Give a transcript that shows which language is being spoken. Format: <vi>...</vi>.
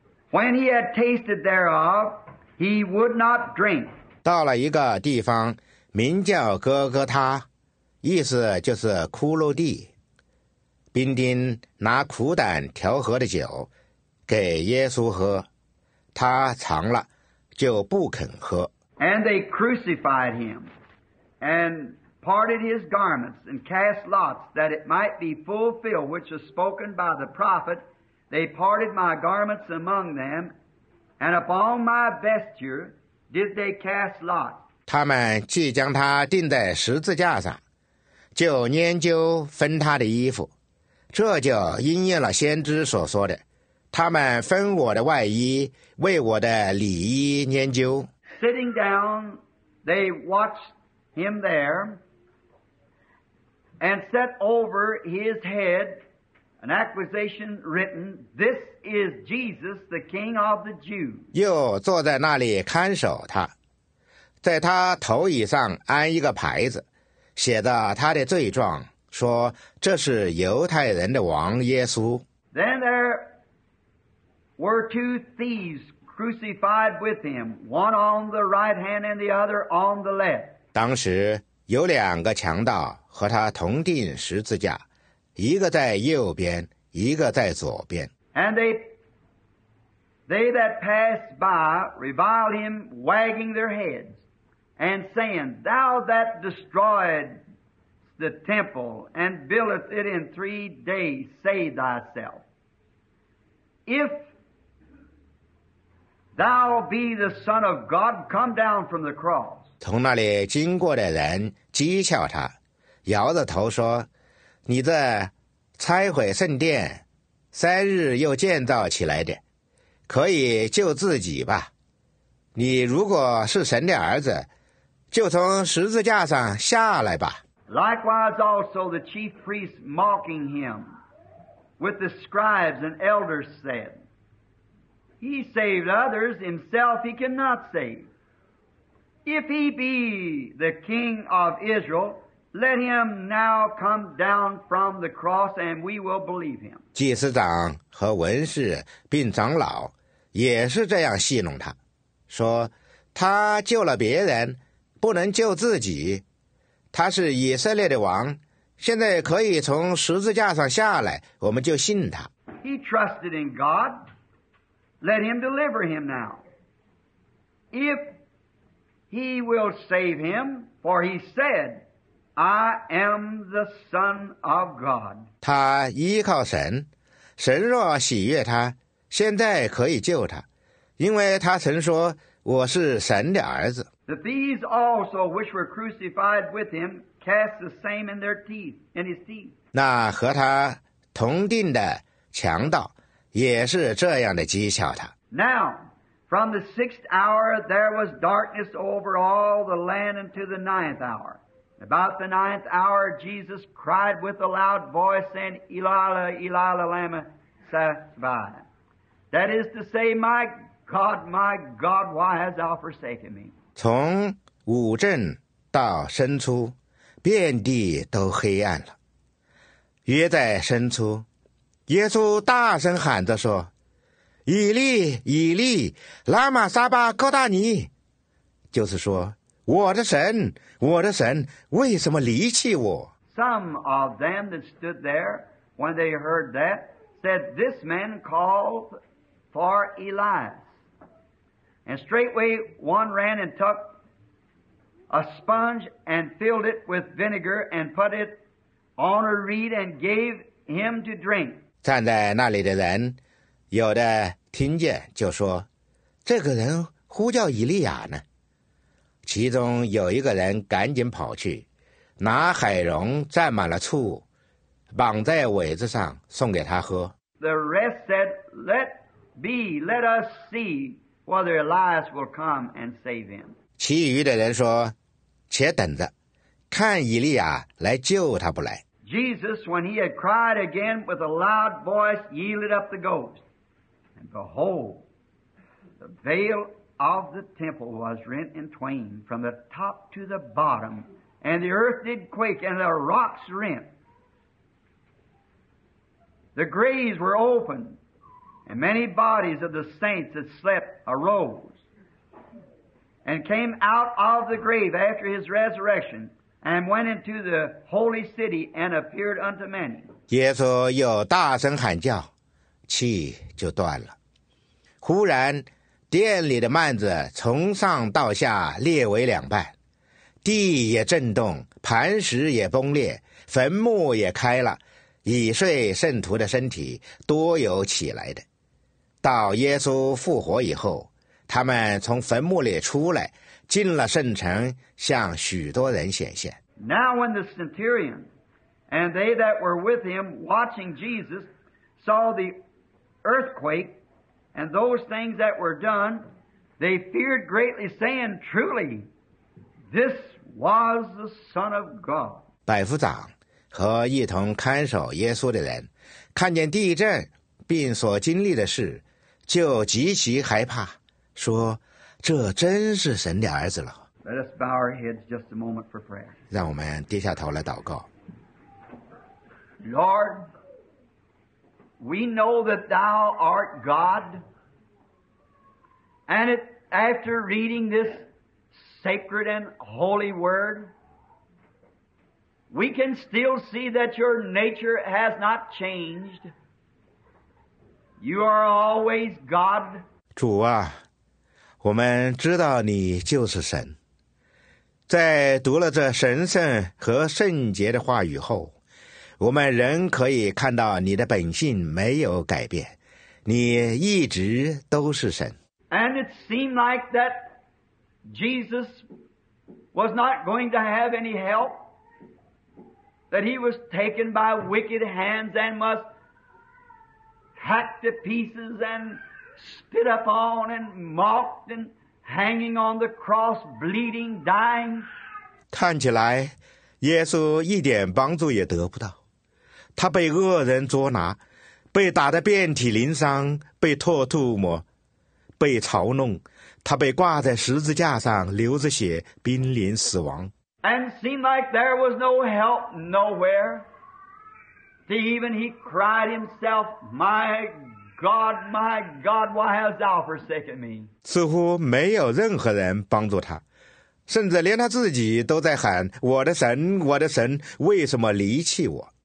<en>When he had tasted thereof, he would not drink.</en> <zh>到了一个地方名叫哥哥他，意思就是骷髅地，兵丁拿苦胆调和的酒给耶稣喝，他尝了就不肯喝。</zh> <en>And they crucified him and parted his garments and cast lots that it might be fulfilled which was spoken by the prophet, they parted my garments among them and upon my vesture did they cast lot?</en> <zh>他们既将他钉在十字架上，就拈阄分他的衣服，这就应验了先知所说的，他们分我的外衣，为我的里衣研究。</zh> <en>Sitting down, they watched him there and set over his head an accusation written, "This is Jesus, the King of the Jews."</en> <zh>又坐在那里看守他，在他头椅上安一个牌子，写着他的罪状，说这是犹太人的王耶稣。</zh> <en>Then there were two thieves crucified with him, one on the right hand and the other on the left.</en> <zh>当时有两个强盗和他同钉十字架，一个在右边，一个在左边。</zh> <en>And they that passed by reviled him, wagging their heads, and saying, "Thou that destroyed the temple and buildest it in 3 days, say thyself, if thou be the Son of God, come down from the cross."</en> <zh>从那里经过的人讥笑他，摇着头说，你这拆毁圣殿三日又建造起来的，可以救自己吧，你如果是神的儿子，就从十字架上下来吧。</zh> <en>Likewise also the chief priests mocking him with the scribes and elders said, "He saved others, himself he cannot save. If he be the King of Israel, let him now come down from the cross, and we will believe him."</en> <zh>祭司长和文士并长老也是这样戏弄他，说他救了别人，不能救自己。他是以色列的王，现在可以从十字架上下来，我们就信他。</zh> <en>He trusted in God. Let him deliver him now. If he will save him, for he said, "I am the Son of God."</en> <zh>他依靠神，神若喜悦他，现在可以救他，因为他曾说，我是神的儿子。</zh> <en>The thieves also which were crucified with him cast the same in their teeth, in his teeth.</en> <zh>那和他同钉的强盗也是这样的讥笑他。</zh> <en>Now, from the sixth hour there was darkness over all the land until the ninth hour. About the ninth hour, Jesus cried with a loud voice, saying, "Elala, Elala, lama sabachthani?" That is to say, my God, why hast thou forsaken me?"</en> <zh>从五镇到深处，遍地都黑暗了。约在深处，耶稣大声喊着说，以利以利拉玛撒巴哥大尼，就是说，我的神，我的神，为什么离弃我？</zh> <en>Some of them that stood there, when they heard that, said, "This man called for Elias." And straightway one ran and took a sponge and filled it with vinegar and put it on a reed and gave him to drink.</en> <zh>站在那里的人，有的听见就说，这个人呼叫以利亚呢。其中有一个人赶紧跑去，拿海蓉蘸满了醋，绑在苇子上送给他喝。</zh> <en>The rest said, let us see whether Elias will come and save him."</en> <zh>其余的人说，且等着，看以利亚来救他不来。</zh> <en>Jesus, when he had cried again with a loud voice, yielded up the ghost. And behold, the veil of the temple was rent in twain from the top to the bottom, and the earth did quake, and the rocks rent. The graves were opened, and many bodies of the saints that slept arose, and came out of the grave after his resurrection, and went into the holy city, and appeared unto many.</en> <zh>耶稣又大声喊叫，气就断了。忽然殿里的幔子从上到下裂为两半，地也震动，磐石也崩裂，坟墓也开了，已睡圣徒的身体多有起来的。到耶稣复活以后，他们从坟墓里出来，进了圣城，向许多人显现。</zh> <en>Now when the centurion and they that were with him watching Jesus saw the earthquake and those things that were done, they feared greatly, saying, truly, this was the Son of God.</en> <zh>百夫长和一同看守耶稣的人看见地震并所经历的事，就极其害怕，说这真是神的儿子了。</zh> <en>Let us bow our heads just a moment for prayer.</en> <zh>让我们低下头来祷告。</zh> <en>Lord, we know that thou art God, and after reading this sacred and holy word, we can still see that your nature has not changed. You are always God.</en> <zh>主啊，我们知道你就是神。在读了这神圣和圣洁的话语后，我们仍可以看到你的本性没有改变，你一直都是神。</zh> <en>And it seemed like that Jesus was not going to have any help, that he was taken by wicked hands and must hack to pieces and spit upon and mocked and hanging on the cross, bleeding, dying.</en> <zh>看起来耶稣一点帮助也得不到，他被恶人捉拿，被打得遍体鳞伤，被唾吐沫，被嘲弄，他被挂在十字架上流着血，濒临死亡。</zh> <en>And seemed like there was no help nowhere. Even he cried himself, "My God, my God, why hast thou forsaken me?"</en> <zh>似乎没有任何人帮助他，甚至连他自己都在喊，我的神，我的神，为什么离弃我？</zh>